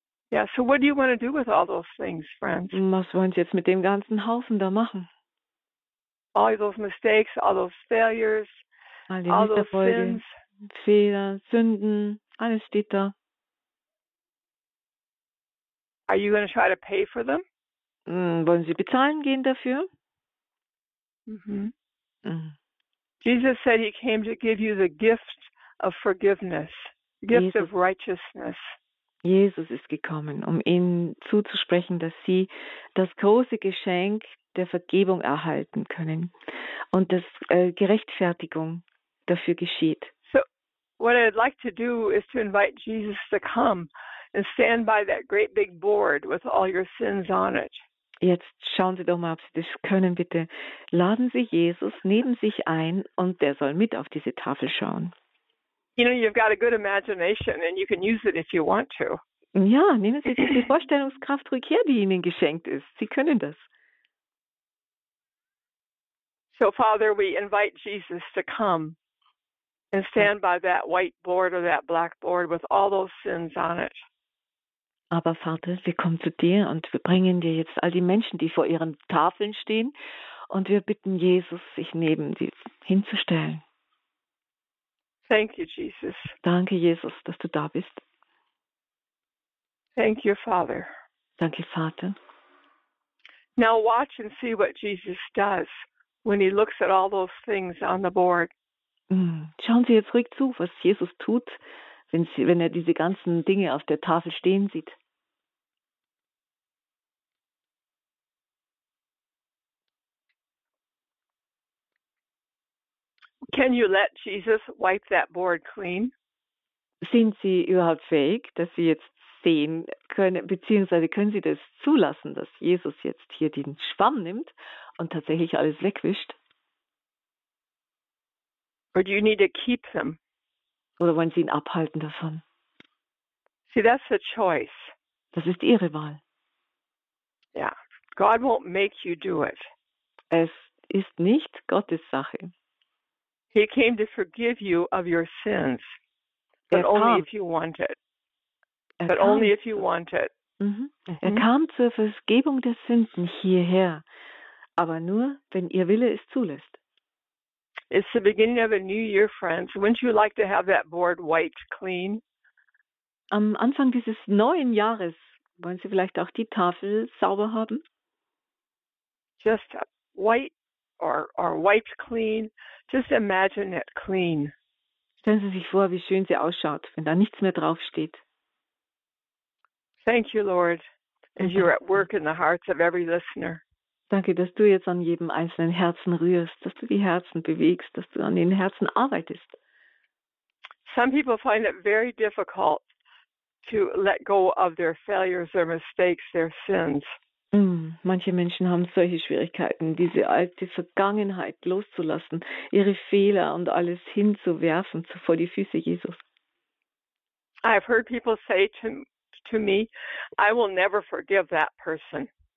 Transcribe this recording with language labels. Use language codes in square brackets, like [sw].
[en] Yeah, so what do you want to do with all those things, friends? [de] Was wollen Sie jetzt mit dem ganzen Haufen da machen? [en] All those mistakes, all those failures, all those sins. [de] Fehler, Sünden, alles steht da. [en] Are you going to try to pay for them? [de] Wollen Sie bezahlen gehen dafür? [en] Jesus said he came to give you the gift of forgiveness, gift of righteousness. [de] Jesus ist gekommen, um ihnen zuzusprechen, dass sie das große Geschenk der Vergebung erhalten können und dass Gerechtfertigung dafür geschieht. [en] So, what I'd like to do is to invite Jesus to come and stand by that great big board with all your sins on it. [de] Jetzt schauen Sie doch mal, ob Sie das können, bitte. Laden Sie Jesus neben sich ein und der soll mit auf diese Tafel schauen. [en] You know, you've got a good imagination and you can use it if you want to. [de] Ja, nehmen Sie die Vorstellungskraft ruhig her, die Ihnen geschenkt ist. Sie können das. [en] So, Father, we invite Jesus to come and stand by that white board or that black board with all those sins on it. [de] Aber Vater, wir kommen zu dir und wir bringen dir jetzt all die Menschen, die vor ihren Tafeln stehen, und wir bitten Jesus, sich neben sie hinzustellen. [en] Thank you, Jesus. [de] Danke, Jesus, dass du da bist. [en] Thank you, Father. [de] Danke, Vater. [en] Now watch and see what Jesus does when he looks at all those things on the board. [de] Schauen Sie jetzt ruhig zu, was Jesus tut, wenn er diese ganzen Dinge auf der Tafel stehen sieht. [en] Can you let Jesus wipe that board clean? [de] Sind Sie überhaupt fähig, dass Sie jetzt sehen können, beziehungsweise können Sie das zulassen, dass Jesus jetzt hier den Schwamm nimmt und tatsächlich alles wegwischt? [en] Or do you need to keep them? [de] Oder wollen Sie ihn abhalten davon? [en] See, that's a choice. [de] Das ist Ihre Wahl. [en] Yeah. God won't make you do it. [de] Es ist nicht Gottes Sache. [en] He came to forgive you of your sins, but only if you want it. But only if you want it. [de] Er kam zur Vergebung der Sünden hierher, aber nur, wenn Ihr Wille es zulässt. [en] It's the beginning of a new year, friends. Wouldn't you like to have that board wiped clean? [de] Am Anfang dieses neuen Jahres wollen Sie vielleicht auch die Tafel sauber haben? [en] Just white or wiped clean. Just imagine it clean. [de] Stellen Sie sich vor, wie schön sie ausschaut, wenn da nichts mehr draufsteht. [en] Thank you, Lord, as you're at work in the hearts of every listener. [de] Danke, dass du jetzt an jedem einzelnen Herzen rührst, dass du die Herzen bewegst, dass du an den Herzen arbeitest. [en] Some people find it very difficult to let go of their failures, their mistakes, their sins. [de] Manche Menschen haben solche Schwierigkeiten, diese alte Vergangenheit loszulassen, ihre Fehler und alles hinzuwerfen vor die Füße Jesus. [en] I've heard people say to me, I will never forgive that person.